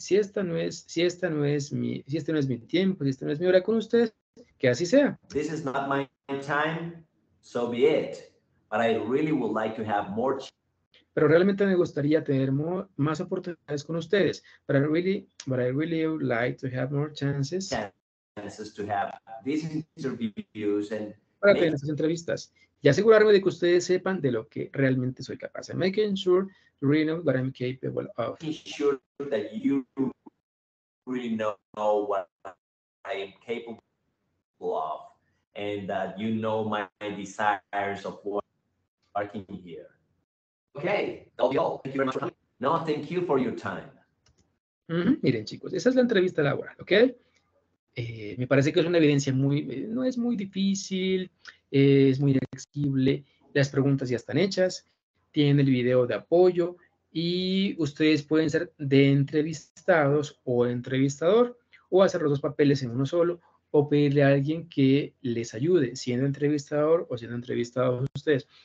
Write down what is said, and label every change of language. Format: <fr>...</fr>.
<es>Si este no es mi tiempo, si este no es mi hora con ustedes, que así sea.</es> <en>This is not my time, So be it. But I really would like to have more.</en> <es>Pero realmente me gustaría tener más oportunidades con ustedes.</es> <en>But I really would like to have more chances. Chances to have these interviews and.</en> <es>Para tener esas entrevistas y asegurarme de que ustedes sepan de lo que realmente soy capaz.</es> <en>Making sure you really know what I'm capable of. Making sure that you really know what I am capable of and that you know my desires of working here. Okay, that'll be all. Thank you very much for coming. No, thank you for your time.</en> <es>Miren, chicos, esa es la entrevista laboral, ¿ok? Me parece que es una evidencia no es muy difícil, es muy accesible, las preguntas ya están hechas, tienen el video de apoyo y ustedes pueden ser de entrevistados o entrevistador o hacer los dos papeles en uno solo o pedirle a alguien que les ayude siendo entrevistador o siendo entrevistados ustedes.</es>